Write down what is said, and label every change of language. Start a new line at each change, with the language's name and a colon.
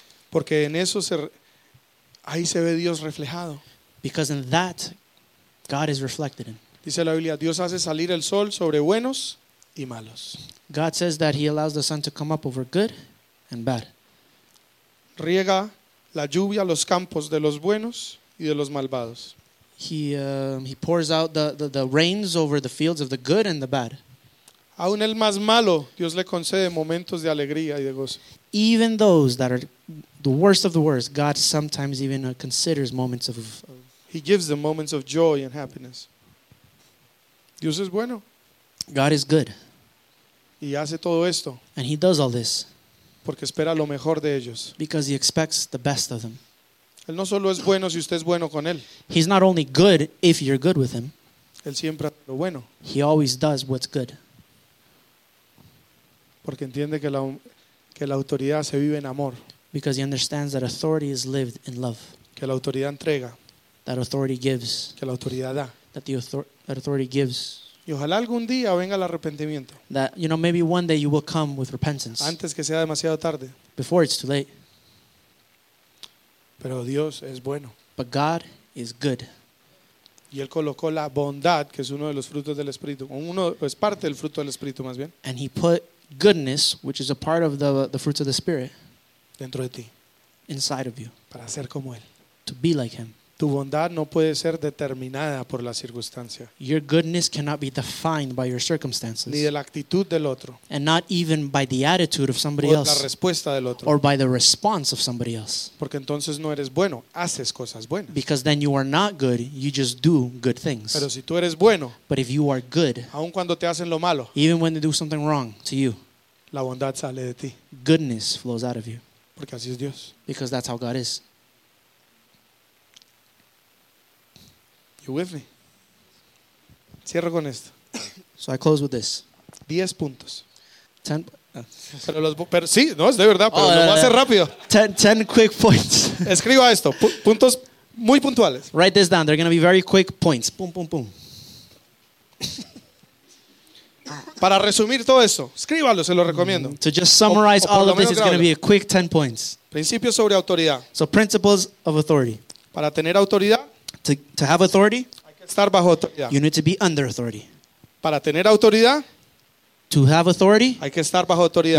Spanish: Porque en eso ahí se ve Dios reflejado.
English: Because in that, God is reflected in.
Spanish: Dice la Biblia, Dios hace salir el sol sobre buenos y malos.
English: God says that he allows the sun to come up over good and bad.
Spanish: Riega la lluvia los campos de los buenos y de los malvados.
English: He pours out the rains over the fields of the good and the bad.
Spanish: Aún el más malo, Dios le concede momentos de alegría y de gozo.
English: Even those that are the worst of the worst, God sometimes even considers moments of... He gives them moments of joy and happiness.
Spanish: Dios es bueno.
English: God is good.
Spanish: Y hace todo esto.
English: And he does all this.
Spanish: Porque espera lo mejor de ellos.
English: Because he expects the best of them.
Spanish: Él no solo es bueno si usted es bueno con él.
English: He's not only good if you're good with him.
Spanish: Él siempre hace lo bueno.
English: He always does what's good.
Spanish: Porque entiende que la autoridad se vive en amor.
English: Because he understands that authority is lived in love.
Spanish: Que la autoridad entrega.
English: That authority gives.
Spanish: Que la autoridad da.
English: That authority gives.
Spanish: Y ojalá algún día venga el arrepentimiento.
English: That, you know, maybe one day you will come with repentance.
Spanish: Antes que sea demasiado tarde.
English: Before it's too late.
Spanish: Pero Dios es bueno.
English: But God is good.
Spanish: Y él colocó la bondad, que es uno de los frutos del Espíritu. Es parte del fruto del Espíritu, más bien.
English: And he put goodness, which is a part of the fruits of the Spirit.
Spanish: Dentro de ti.
English: Inside of you.
Spanish: Para ser como él.
English: To be like him.
Spanish: Tu bondad no puede ser determinada por la circunstancia.
English: Your goodness cannot be defined by your circumstances.
Spanish: Ni de la actitud del otro.
English: And not even by the attitude of somebody else.
Spanish: O la respuesta del otro.
English: Or by the response of somebody else.
Spanish: Porque entonces no eres bueno, haces cosas buenas.
English: Because then you are not good, you just do good things.
Spanish: Pero si tú eres bueno,
English: but if you are good,
Spanish: aun cuando te hacen lo malo,
English: even when they do something wrong to you,
Spanish: la bondad sale de ti.
English: Goodness flows out of you.
Spanish: Porque así es Dios.
English: Because that's how God is. You with me?
Spanish: Cierro con esto.
English: So I close with this.
Spanish: 10 puntos.
English: 10.
Spanish: Pero los, pero sí, no, es de verdad, pero lo voy a hacer rápido.
English: 10 quick points.
Spanish: Escriba esto, puntos muy puntuales.
English: Write this down. They're going to be very quick points. Pum pum pum.
Spanish: Para resumir todo eso, escríbalo, se lo recomiendo.
English: To just summarize all of this, it's going to be a quick 10 points.
Spanish: Principios sobre autoridad.
English: So principles of authority.
Spanish: Para tener autoridad,
English: to have authority,
Spanish: hay que estar bajo autoridad.
English: You need to be under authority.
Spanish: Para tener autoridad,
English: to have authority,
Spanish: hay que estar bajo autoridad.